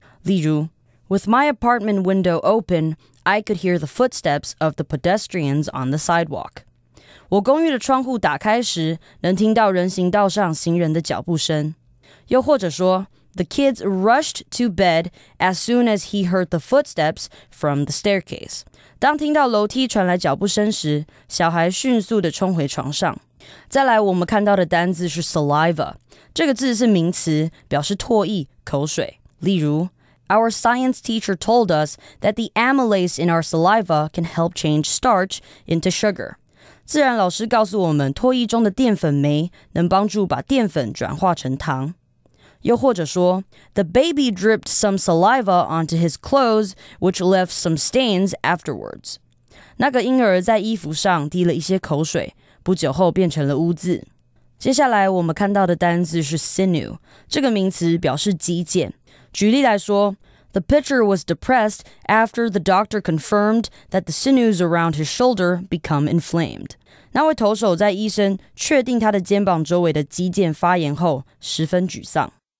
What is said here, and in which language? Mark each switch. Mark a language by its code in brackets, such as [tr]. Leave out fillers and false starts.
[zh] 例如 [en] ，With my apartment window open, I could hear the footsteps of the pedestrians on the sidewalk. [zh] 我公寓的窗户打开时，能听到人行道上行人的脚步声。又或者说。 [en] The kids rushed to bed as soon as he heard the footsteps from the staircase. [zh] 当听到楼梯传来脚步声时，小孩迅速地冲回床上。再来，我们看到的单字是 saliva。这个字是名词，表示唾液、口水。例如 [en] ，Our science teacher told us that the amylase in our saliva can help change starch into sugar. [zh] 自然老师告诉我们，唾液中的淀粉酶能帮助把淀粉转化成糖。又或者说 [en] ，The baby dripped some saliva onto his clothes, which left some stains afterwards. [zh] 那个婴儿在衣服上滴了一些口水，不久后变成了污渍。接下来我们看到的单字是 sinew， 这个名词表示肌腱。举例来说 [en] ，The pitcher was depressed after the doctor confirmed that the sinews around his shoulder become inflamed. [zh] 那位投手在医生确定他的肩膀周围的肌腱发炎后，十分沮丧。